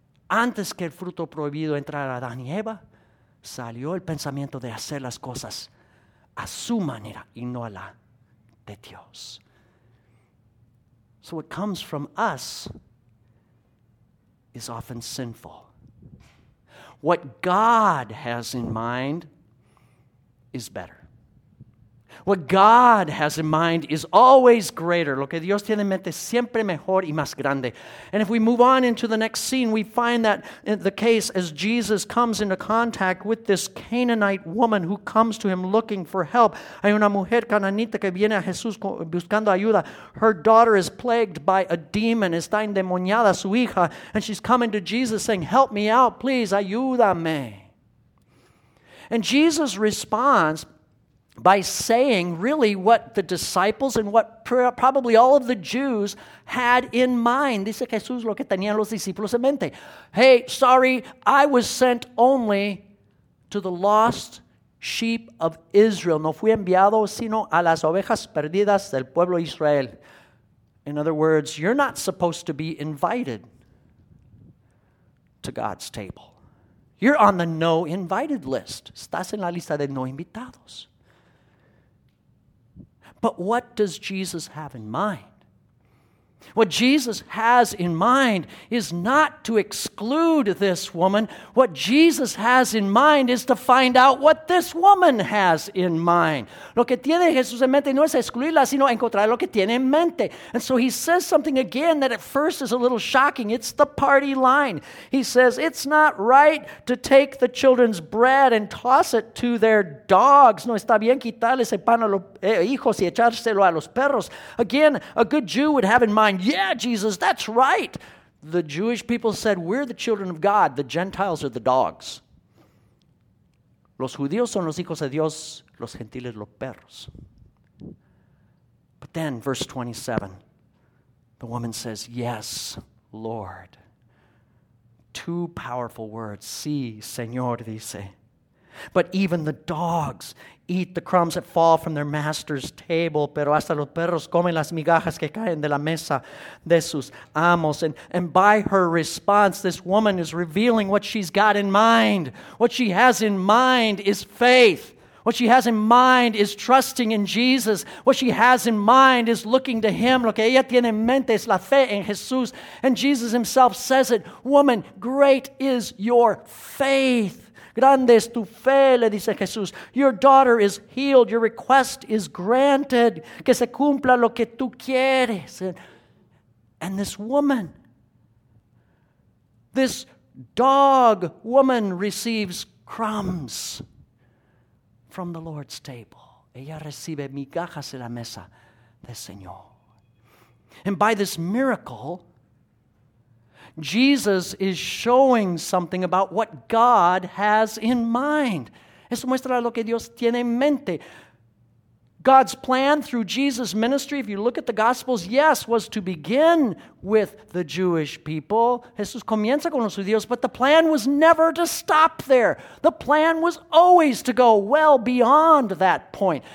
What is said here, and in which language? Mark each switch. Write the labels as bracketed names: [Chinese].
[Spanish] Antes que el fruto prohibido entrara a Adán y Eva, salió el pensamiento de hacer las cosas a su manera y no a la de Dios. [English] So what comes from us is often sinful. What God has in mind is better. What God has in mind is always greater. [Spanish] Lo que Dios tiene en mente siempre mejor y más grande. [English] And if we move on into the next scene, we find that in the case as Jesus comes into contact with this Canaanite woman who comes to him looking for help. [Spanish] Hay una mujer cananita que viene a Jesús buscando ayuda. [English] Her daughter is plagued by a demon. [Spanish] Está endemoniada su hija. [English] And she's coming to Jesus saying, help me out, please, [Spanish] ayúdame. [English] And Jesus responds by saying really what the disciples and what probably all of the Jews had in mind. [Spanish] Dice Jesús lo que tenían los discípulos en mente. [English] Hey, sorry, I was sent only to the lost sheep of Israel. [Spanish] No fui enviado sino a las ovejas perdidas del pueblo Israel. [English] In other words, you're not supposed to be invited to God's table. You're on the no invited list. [Spanish] Estás en la lista de no invitados. [English] But what does Jesus have in mind? What Jesus has in mind is not to exclude this woman. What Jesus has in mind is to find out what this woman has in mind. [Spanish] Lo que tiene Jesús en mente no es excluirla, sino encontrar lo que tiene en mente. [English] And so he says something again that at first is a little shocking. It's the party line. He says, it's not right to take the children's bread and toss it to their dogs. [Spanish] No está bien quitarle ese pan a los hijos y echárselo a los perros. [English] Again, a good Jew would have in mind, yeah, Jesus, that's right. The Jewish people said, we're the children of God. The Gentiles are the dogs. [Spanish] Los judíos son los hijos de Dios. Los gentiles los perros. [English] But then, verse 27, the woman says, yes, Lord. Two powerful words. [Spanish] Sí, Señor, dice. [English] But even the dogs eat the crumbs that fall from their master's table. [Spanish] Pero hasta los perros comen las migajas que caen de la mesa de sus amos. [English] And by her response, this woman is revealing what she's got in mind. What she has in mind is faith. What she has in mind is trusting in Jesus. What she has in mind is looking to Him. [Spanish] Lo que ella tiene en mente es la fe en Jesús. [English] And Jesus Himself says it, woman, great is your faith. [Spanish] Grande es tu fe, le dice Jesús. [English] Your daughter is healed. Your request is granted. [Spanish] Que se cumpla lo que tú quieres. [English] And this woman, this dog woman receives crumbs from the Lord's table. [Spanish] Ella recibe migajas en la mesa del Señor. [English] And by this miracle, Jesus is showing something about what God has in mind. [Spanish] Eso muestra lo que Dios tiene en mente. [English] God's plan through Jesus' ministry, if you look at the Gospels, yes, was to begin with the Jewish people. [Spanish] Jesús comienza con los judíos, [English] but the plan was never to stop there. The plan was always to go well beyond that point.